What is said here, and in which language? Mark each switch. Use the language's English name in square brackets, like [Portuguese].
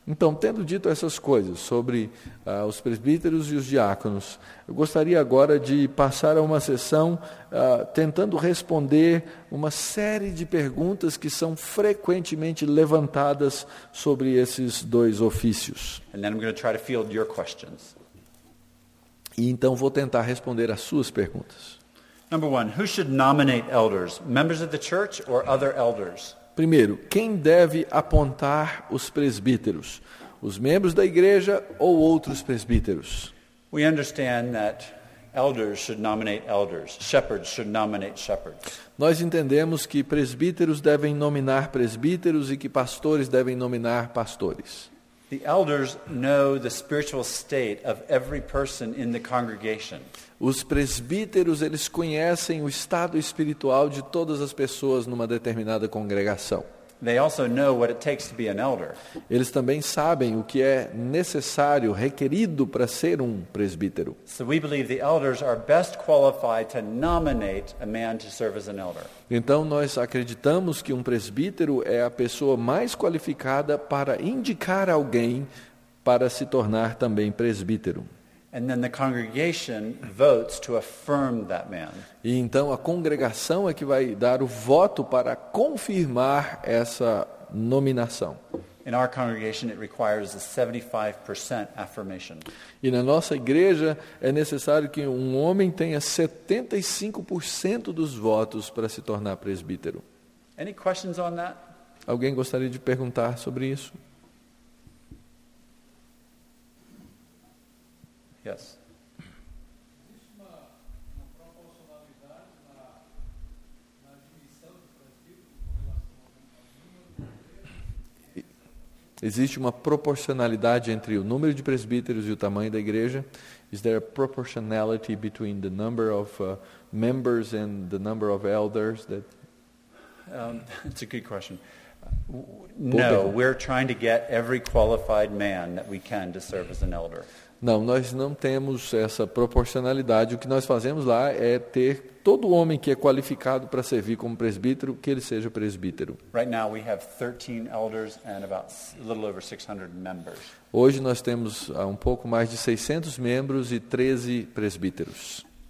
[Portuguese] Então, tendo dito essas coisas sobre os presbíteros e os diáconos, eu gostaria agora de passar a uma sessão tentando responder uma série de perguntas que são frequentemente levantadas sobre esses dois ofícios. [English] And then I'm going to try to field your questions. [Portuguese] E então vou tentar responder às suas perguntas. [English] Number one, who should nominate elders, members of the church or other elders? [Portuguese] Primeiro, quem deve apontar os presbíteros, os membros da igreja ou outros presbíteros? [English] We understand that elders should nominate elders, shepherds should nominate shepherds. [Portuguese] Nós entendemos que presbíteros devem nominar presbíteros e que pastores devem nominar pastores. [English] The elders know the spiritual state of every person in the congregation. [Portuguese] Os presbíteros, eles conhecem o estado espiritual de todas as pessoas numa determinada congregação. [English] They also know what it takes to be an elder. [Portuguese] Eles também sabem o que é necessário, requerido para ser um presbítero. [English] So we believe the elders are best qualified to nominate a man to serve as an elder. [Portuguese] Então nós acreditamos que um presbítero é a pessoa mais qualificada para indicar alguém para se tornar também presbítero. [English] And then the congregation votes to affirm that man. [Portuguese] E então a congregação é que vai dar o voto para confirmar essa nominação. [English] In our congregation it requires a 75% affirmation. [Portuguese] E na nossa igreja é necessário que um homem tenha 75% dos votos para se tornar presbítero. [English] Any questions on that? [Portuguese] Alguém gostaria de perguntar sobre isso? [English] Yes. [Portuguese] Existe uma proporcionalidade entre o número de presbíteros e o tamanho da igreja? [English] Is there a proportionality between the number of members and the number of elders? That's a good question. No, we're trying to get every qualified man that we can to serve as an elder. [Portuguese] Não, nós não temos essa proporcionalidade. O que nós fazemos lá é ter todo homem que é qualificado para servir como presbítero, que ele seja presbítero. [English] Right now we have 13 elders and about a little over 600 members. [Portuguese] Hoje nós temos um pouco mais de 600 membros e 13 presbíteros.